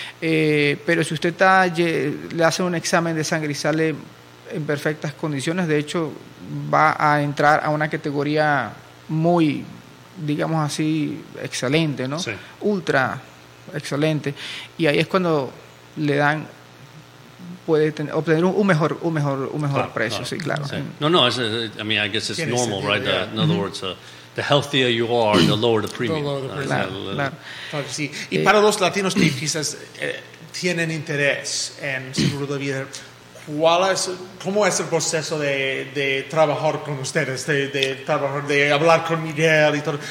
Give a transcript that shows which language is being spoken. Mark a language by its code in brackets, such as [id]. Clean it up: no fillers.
[es] Pero si usted le hace un examen de sangre y sale en perfectas condiciones, de hecho, va a entrar a una categoría muy, digamos así, excelente, ¿no? Sí. Ultra excelente. Y ahí es cuando le dan, puede obtener un mejor claro, precio, claro. Sí, claro. Sí. [en] No, I guess it's normal, right? In other words, the healthier you are, the lower the premium. [es] Sí. Y para los latinos que quizás tienen interés en seguro de vida, ¿Cuál es, cómo es el proceso de trabajar con ustedes, de trabajar, de hablar con Miguel y todo?